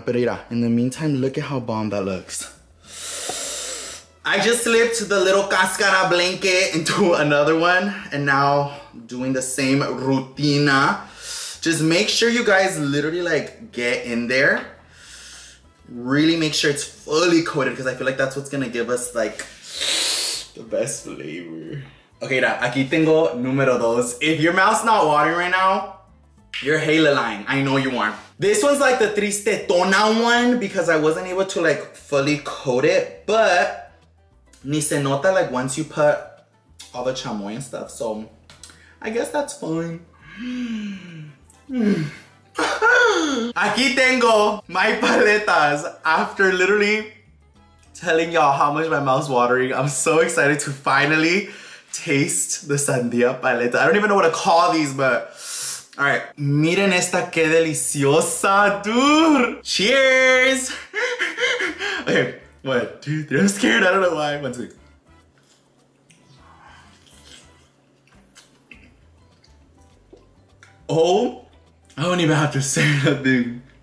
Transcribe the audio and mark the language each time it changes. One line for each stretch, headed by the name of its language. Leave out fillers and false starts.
English: But yeah, in the meantime, look at how bomb that looks. I just slipped the little cascara blanket into another one. And now doing the same rutina. Just make sure you guys literally like get in there. Really make sure it's fully coated. Because I feel like that's what's going to give us like the best flavor.
Spanish: Okay, da, aquí tengo número 2.
English: If your mouth's not watering right now, you're hella lying. I know you aren't. This one's like the tristetona one because I wasn't able to like fully coat it, but
Spanish: ni se nota
English: like once you put all the chamoy and stuff, so I guess that's fine.
Spanish: Aquí tengo
English: my paletas after literally telling y'all how much my mouth's watering. I'm so excited to finally taste the sandia paleta. I don't even know what to call these, but all right.
Spanish: Miren esta que deliciosa, dude.
English: Cheers. Okay, 1, 2, 3. I'm scared. I don't know why. 1, 2. Oh, I don't even have to say nothing.